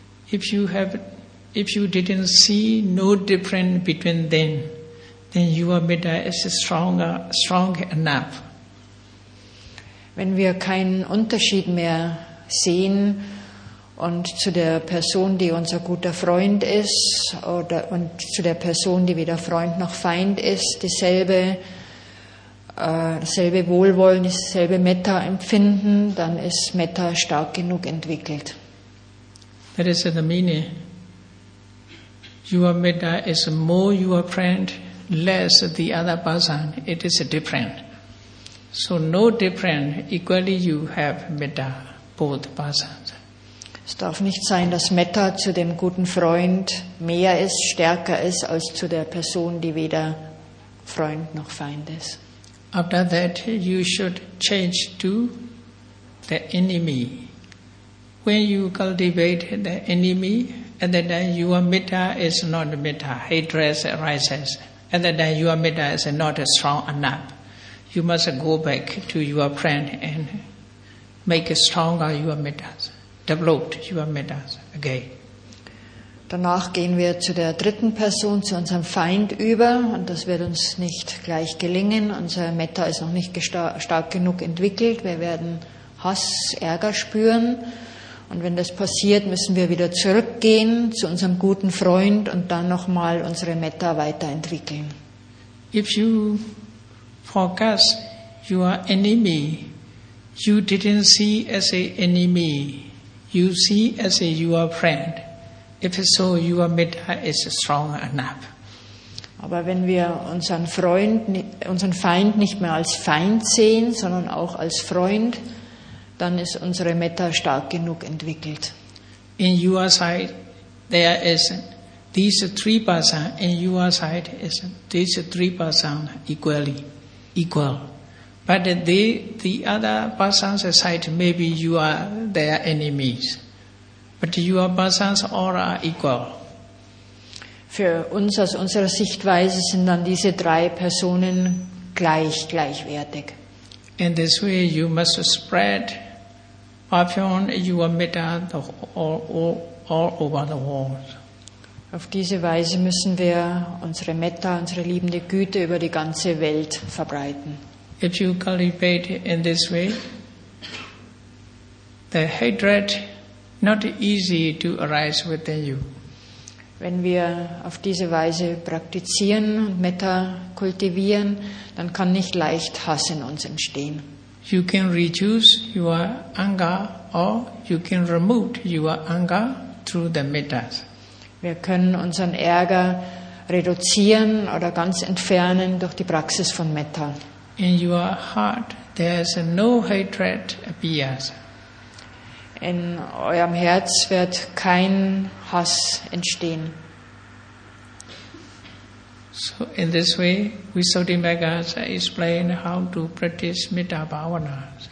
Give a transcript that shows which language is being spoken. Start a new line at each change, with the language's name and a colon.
English: If you didn't see no difference between them, then your metta is strong enough.
German: Wenn wir keinen Unterschied mehr sehen und zu der Person, die unser guter Freund ist, oder und zu der Person, die weder Freund noch Feind ist, dasselbe Wohlwollen, dasselbe Metta empfinden, dann ist Metta stark genug entwickelt.
English: That is the meaning. Your metta is more your friend, less the other person. It is different. So no different, equally you have metta, both persons.
German: Es darf nicht sein, dass Metta zu dem guten Freund mehr ist, stärker ist, als zu der Person, die weder Freund noch Feind ist.
English: After that, you should change to the enemy. When you cultivate the enemy, and then your metta is not metta, hatred arises, and then your metta is not strong enough. You must go back to your friend and make stronger your metta, develop your metta again.
German: Danach gehen wir zu der dritten Person, zu unserem Feind über, und das wird uns nicht gleich gelingen. Unser Metta ist noch nicht stark genug entwickelt. Wir werden Hass, Ärger spüren. Und wenn das passiert, müssen wir wieder zurückgehen zu unserem guten Freund und dann nochmal unsere Metta weiterentwickeln.
English: If you forecast your enemy, you didn't see as an enemy, you see as your friend. If so, your metta is strong enough.
German: Aber wenn wir unseren Feind nicht mehr als Feind sehen, sondern auch als Freund, dann ist unsere Metta stark genug entwickelt.
English: In your side, there is these three persons. In your side, is these three persons equal. But the other person's side, maybe you are their enemies. But your persons all are equal.
German: Für uns aus unserer Sichtweise sind dann diese drei Personen gleichwertig.
English: In this way, you must spread often your metta all over the world.
German: Auf diese Weise müssen wir unsere Metta, unsere liebende Güte über die ganze Welt verbreiten.
English: If you cultivate in this way, the hatred not easy to arise within you.
German: Wenn wir auf diese Weise praktizieren und Metta kultivieren, dann kann nicht leicht Hass in uns entstehen.
English: You can reduce your anger or you can remove your anger through the metta.
German: Wir können unseren Ärger reduzieren oder ganz entfernen durch die Praxis von Metta.
English: In your heart there is no hatred appears.
German: In eurem Herz wird kein Hass entstehen.
English: So in this way, Visuddhi Magas explain how to practice Metta Bhavana.